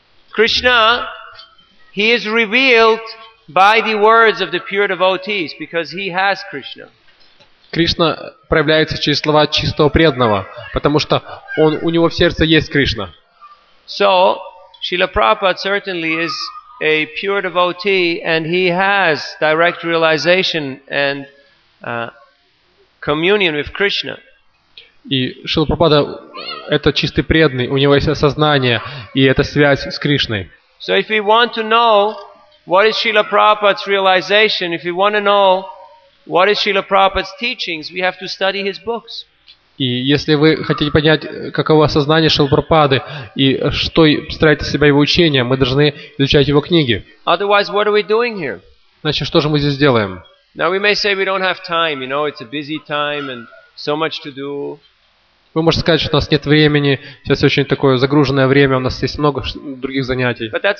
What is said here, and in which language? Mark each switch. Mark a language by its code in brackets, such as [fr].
[en] Krishna, he is revealed by the words of the pure devotees, because he has Krishna. [ru] Кришна проявляется через слова чистого преданного, потому что он у него в сердце есть Кришна. [en] So, Srila Prabhupada certainly is a pure devotee, and he has direct realization and communion with Krishna. [ru] И Шрила Прабхупада это чистый преданный, у него есть осознание и эта связь с Кришной. [en] So, if we want to know what is Srila Prabhupada's realization? If you want to know what is Srila Prabhupada's teachings, we have to study his books. [ru] И если вы хотите понять, каково сознание Шрилы Прабхупады и что представляет из себя его учение, мы должны изучать его книги. [en] Otherwise, what are we doing here? [ru] Значит, что же мы здесь делаем? [en] Now we may say we don't have time. You know, it's a busy time and so much to do. [ru] Вы можете сказать, что у нас нет времени, сейчас очень такое загруженное время, у нас есть много других занятий.